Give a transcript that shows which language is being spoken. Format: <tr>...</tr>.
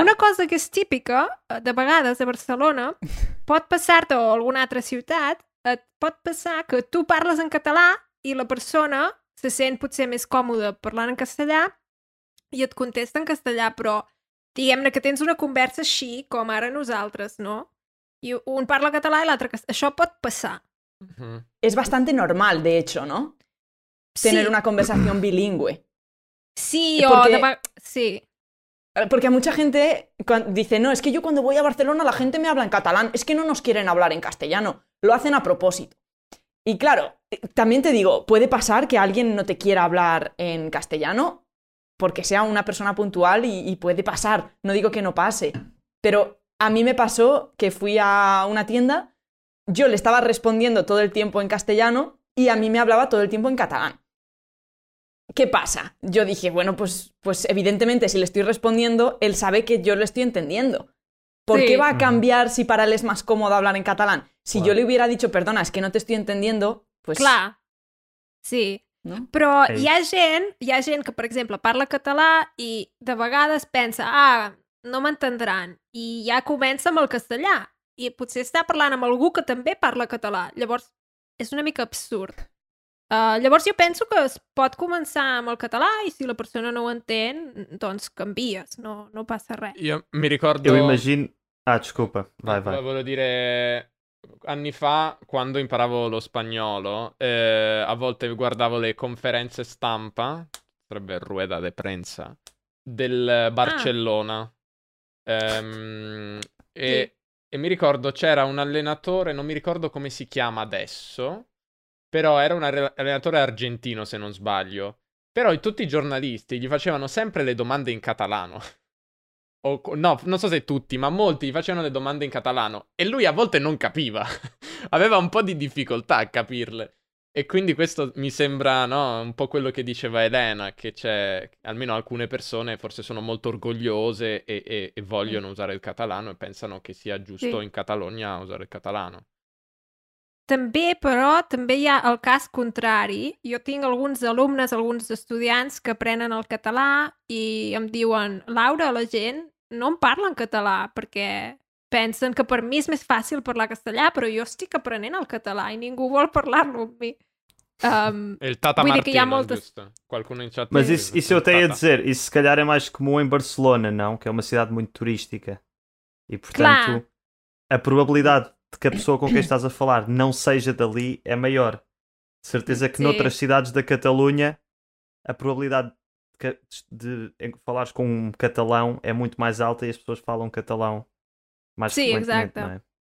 <ca>Una cosa que és típica, de vegades a Barcelona, pot passar-te a alguna altra ciutat, et pot passar que tu parles en català i la persona se sent potser més còmoda parlant en castellà i et contesta en castellà, però diguem-ne que tens una conversa així, com ara nosaltres, no? I un parla català i l'altre castellà. Això pot passar.</ca> <es>És bastante normal, de hecho, no? Tener sí. Una conversación bilingüe. Sí, porque, sí. Porque mucha gente dice, no, es que yo cuando voy a Barcelona la gente me habla en catalán. Es que no nos quieren hablar en castellano. Lo hacen a propósito. Y claro, también te digo, puede pasar que alguien no te quiera hablar en castellano... Porque sea una persona puntual y puede pasar. No digo que no pase. Pero a mí me pasó que fui a una tienda, yo le estaba respondiendo todo el tiempo en castellano y a mí me hablaba todo el tiempo en catalán. ¿Qué pasa? Yo dije, bueno, pues evidentemente si le estoy respondiendo, él sabe que yo le estoy entendiendo. ¿Por sí. qué va a cambiar si para él es más cómodo hablar en catalán? Si bueno. yo le hubiera dicho, perdona, es que no te estoy entendiendo, pues... Claro, sí. No?</es> <ca>Però hey. hi ha gent que, per exemple, parla català i de vegades pensa, ah, no m'entendran, i ja comença amb el castellà, i potser està parlant amb algú que també parla català, llavors és una mica absurd. Llavors jo penso que es pot començar amb el català i si la persona no ho entén, doncs canvies, no passa res. Jo</ca> <it>mi ricordo...</it> <ca>Jo imagino... Ah, disculpa,</ca> <it>vai. Volevo dire... Anni fa, quando imparavo lo spagnolo, a volte guardavo le conferenze stampa, sarebbe</it> <es>rueda de prensa,</es> <it>del Barcellona. Ah. E mi ricordo c'era un allenatore, non mi ricordo come si chiama adesso, però era un allenatore argentino, se non sbaglio. Però tutti i giornalisti gli facevano sempre le domande in catalano. O, no, non so se tutti, ma molti gli facevano le domande in catalano. E lui a volte non capiva. Aveva un po' di difficoltà a capirle. E quindi questo mi sembra, no, un po' quello che diceva Elena, che c'è, almeno alcune persone forse sono molto orgogliose e vogliono usare il catalano e pensano che sia giusto sì. in Catalogna usare il catalano.</it> <ca>També, però, també hi ha el cas contrari. Jo tinc alguns alumnes, alguns estudiants que aprenen el català i em diuen, Laura, la gent no em parlen català perquè pensen que per mi és més fàcil parlar castellà, però jo estic aprenent el català i ningú vol parlar-lo amb mi. El Tata Martino, que hi ha moltes... justo.</ca> <it>Qualcuno in chat.</it> <pt>Mas e se eu te ia dizer, isso se calhar é mais comum em Barcelona, não? Que é uma cidade muito turística. E portanto, claro, a probabilidade de que a pessoa com quem estás a falar não seja dali é maior. De certeza que sim, noutras cidades da Catalunha a probabilidade de falares com um catalão é muito mais alta e as pessoas falam catalão mais frequentemente, não é?</pt>